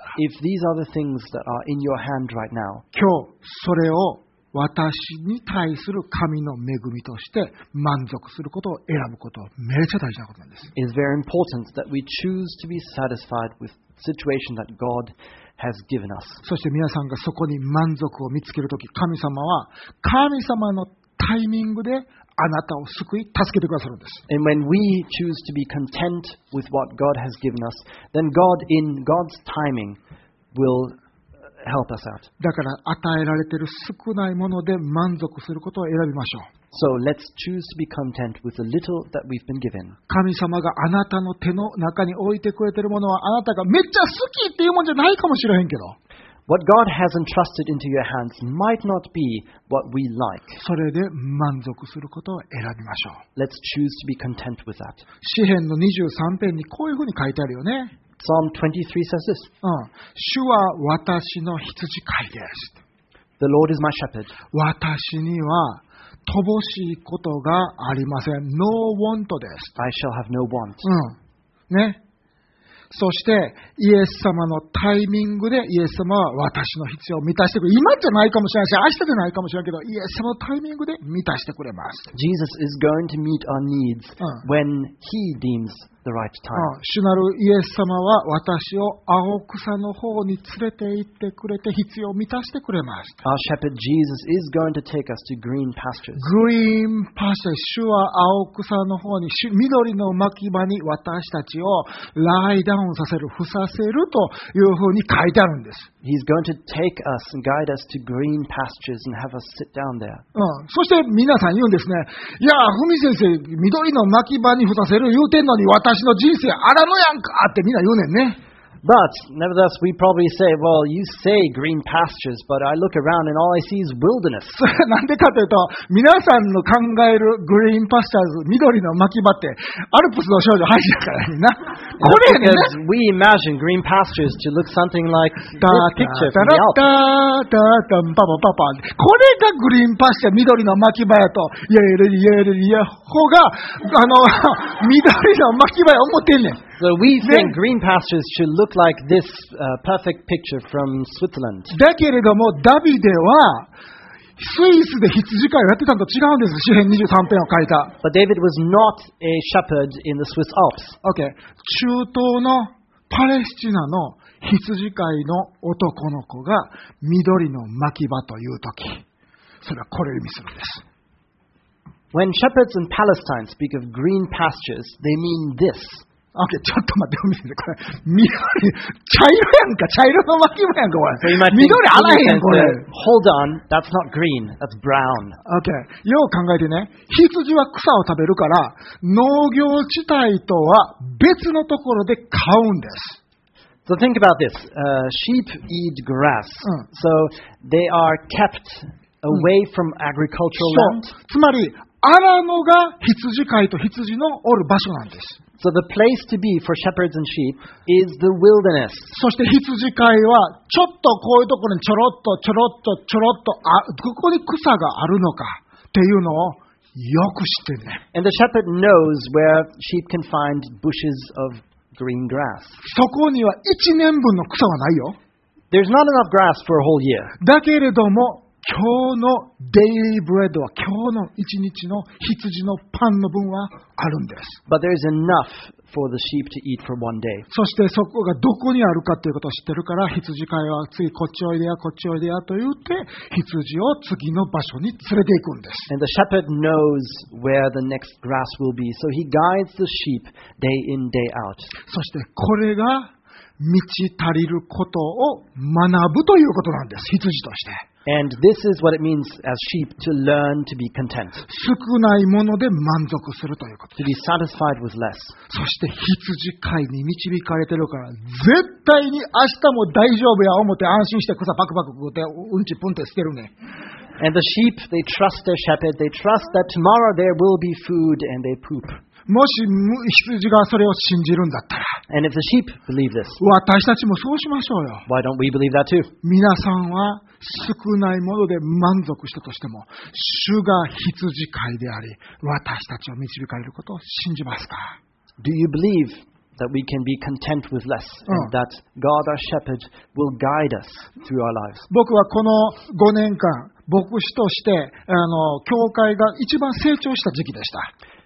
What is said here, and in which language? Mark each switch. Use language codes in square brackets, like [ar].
[en] If these are the things that are in your hand right now, [ja] 今日それを私に対する神の恵みとして満足することを選ぶことはめちゃ大事なことなんです。 [en] It's very important that we choose to be satisfied with the situation that God has given us. [ja] そして皆さんがそこに満足を見つけるとき、神様は神様のタイミングであなたを救い助けてくださるんです。 [en] And when we choose to be content with what God has given us, then God in God's timing will help us out. [ja] だから与えられている少ないもので満足することを選びましょう。 [en] So let's choose to be content with the little that we've been given. [ja] 神様があなたの手の中に置いてくれているものはあなたがめっちゃ好きっていうもんじゃないかもしれへんけど。 [en] What God has entrusted into your hands might not be what we like. [ja] それで満足することを選びましょう。 [en] Let's choose to be content with that. [ja] 詩編の23編にこういうふうに書いてあるよね。 [en] Psalm 23 says this. [ja] 主は私の羊飼いです。 [en] The Lord is my shepherd. [ja] 私には乏しいことがありません。 [en] No want [ja] です。 [en] I shall have no want. [ja] ね。そしてイエス様のタイミングでイエス様は私の必要を満たしてくれ。今じゃないかもしれないし、明日じゃないかもしれないけど、イエス様のタイミングで満たしてくれます。 [en] Jesus is going to meet our needs when He deems the right time. [ja] 主なるイエス様は私を青草の方に連れて行ってくれて必要を満たしてくれます。 [en] Our shepherd Jesus is going to take us to green pastures. Green pastures. [ja] 主は青草の方に、緑の牧場に私たちをライダウンさせる、伏させるというふうに書いてあるんです。 [en] He's going to take us and guide us to green pastures and have us sit down there. [ja] そして皆さん言うんですね。いや、ふみ先生、緑の牧場に伏させる言うてんのに私の人生荒野やんかってみんな言うねんね。 [en] But nevertheless, we probably say, "Well, you say green pastures, but I look around and all I see is wilderness." [ja] なんでかというと、皆さんの考えるグリーンパスチャーズ、緑の牧場ってアルプスの少女ハイジだからにな。これね。 [en] Because we imagine green pastures to look something like the picture from the Alps. [ja] だだだだだだ、パパパパ。これがグリーンパスチャー、緑の牧場やと、いやいやいやいやいや、ほが緑の牧場思ってんねん。 [en] So we think green pastures should look like this perfect picture from Switzerland. [ja] だけれどもダビデはスイスで羊飼いをやってたのと違うんです。詩編23編を書いた。 [en] But David was not a shepherd in the Swiss Alps. Okay. [ja] 中東のパレスチナの羊飼いの男の子が緑の牧場というとき、それはこれを意味するんです。 [en] When shepherds in Palestine speak of green pastures, they mean this. [ja] Okay, ちょっと待って、これ、緑、茶色やんか、茶色の巻き物やんか、これ。緑あらへん、これ。 [en] Hold on, that's not green, that's brown. [ja] Okay, よう考えてね、羊は草を食べるから、農業地帯とは別のところで飼うんです。 [en] So think about this, sheep eat grass, so they are kept away from agricultural land. [ja] つまり、アラノが羊飼いと羊のおる場所なんです。 [en] So the place to be for shepherds and sheep is the wilderness. [ja] そして羊飼いはちょっとこういうところにちょろっとちょろっとちょろっとあここに草があるのかっていうのをよく知ってね。 [en] And the shepherd knows where sheep can find bushes of green grass. [ja] そこには1年分の草はないよ。 [en] There's not enough grass for a whole year. [ja] だけれども今日のデイリーブレッドは今日の一日の羊のパンの分はあるんです。 [en] But there is enough for the sheep to eat for one day. [ja] そしてそこがどこにあるかということを知ってるから、羊飼いは次こっちおいでやこっちおいでやと言って羊を次の場所に連れて行くんです。 [en] And the shepherd knows where the next grass will be, so he guides the sheep day in, day out. [ja] そしてこれが満ち足りることを学ぶということなんです、羊として。 [en] And this is what it means as sheep to learn to be content. [ja] 少ないもので満足するということ。 [en] To be satisfied with less. [ja] そして羊飼いに導かれてるから、絶対に明日も大丈夫や思って安心して草パクパク食ってうんちぷんって捨てるね。 [en] And the sheep, they trust their shepherd. They trust that tomorrow there will be food and they poop. [ja] もし羊がそれを信じるんだったら、 [en] And if the sheep believe this, [ja] 私たちもそうしましょうよ。 [en] Why don't we believe that too? [ja] 皆さんは少ないもので満足したとしても、主が羊飼いであり、私たちを導かれることを信じますか？ [en] Do you believe that we can be content with less and that God our shepherd will guide us through our lives? [ja] 僕はこの5年間、牧師として教会が一番成長した時期でした。